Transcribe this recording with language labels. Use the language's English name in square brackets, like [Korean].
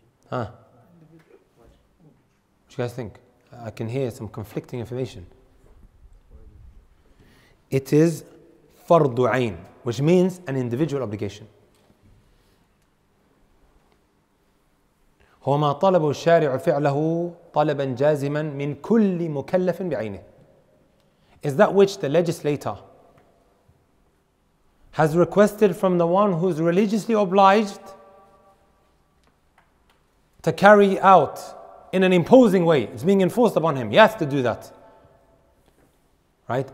[English] Huh? What do you guys think? I can hear some conflicting information. It is fardu ayn, which means an individual obligation. [Arabic] هو ما طلب الشارع فعله طلبا جازما من كل مكلف بعينه. [English] Is that which the legislator has requested from the one who is religiously obliged to carry out in an imposing way. It's being enforced upon him. He has to do that. Right?